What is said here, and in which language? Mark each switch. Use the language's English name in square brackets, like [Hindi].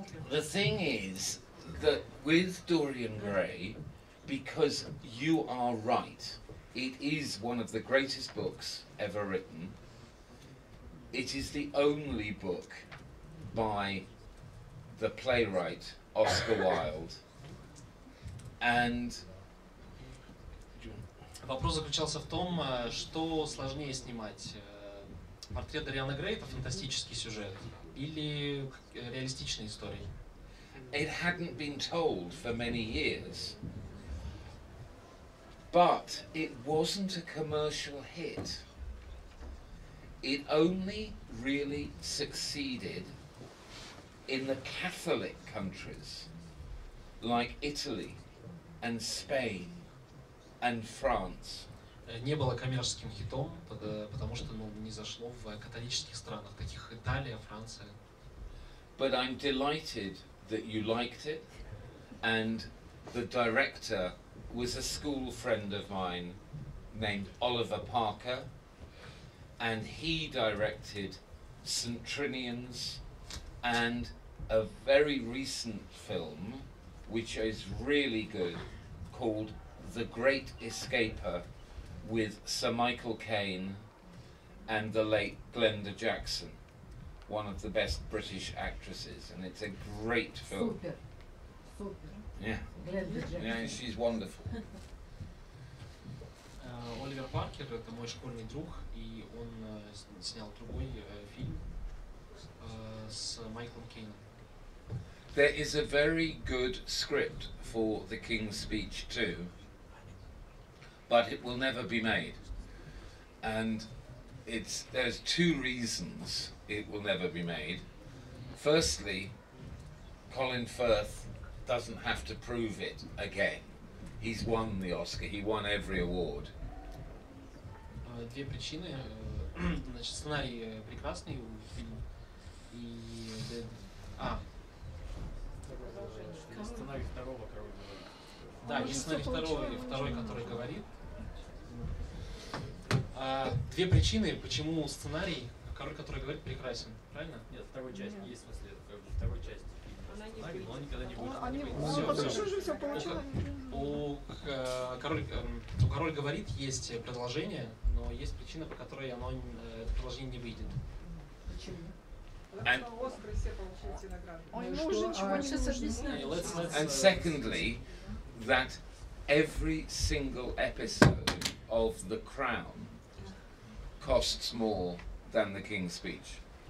[English] The thing is that with Dorian Gray, because you are right, It is one of the greatest books ever written. It is the only book by the playwright Oscar Wilde. And [Russian] вопрос заключался в том, что сложнее снимать: портрет Дориана Грея, фантастический сюжет, или реалистичная история? [English] It hadn't been told for many years, but it wasn't a commercial hit. It only really succeeded in the Catholic countries like Italy and Spain and France. Не было коммерческим хитом, потому что не зашло в католических странах, таких как Италия, Франция. But I'm delighted that you liked it, and the director was a school friend of mine named Oliver Parker, and he directed St. Trinian's and a very recent film which is really good called The Great Escaper with Sir Michael Caine and the late Glenda Jackson, one of the best British actresses, and it's a great film. Super. Super. Yeah. Glenda Jackson. Yeah, she's wonderful. [Russian] Оливер Паркер — это мой школьный друг, и он снял другой фильм с Майклом Кейном. [English] There is a very good script for The King's Speech too, but it will never be made. And there's two reasons it will never be made. Firstly, Colin Firth doesn't have to prove it again. He's won the Oscar, he won every award. [Russian] Две причины. Значит, сценарий прекрасный у фильма. Сценарий второго, короче. Да, не сценарий второго, а второй, который говорит. Две причины, почему сценарий «Король, который говорит» прекрасен. Правильно? Нет, второй части. Нет. Есть в смысле, как бы, второй части фильма. Она сценарий, не но он никогда не будет. Он хорошо же все получил. У «Король говорит» есть продолжение, но есть причина, по которой оно, это продолжение не выйдет. Почему? Потому что Оскар все получили награды. Ну уже ничего не сейчас объясняет. [English] And secondly, that every single episode of The Crown costs more than The King's Speech.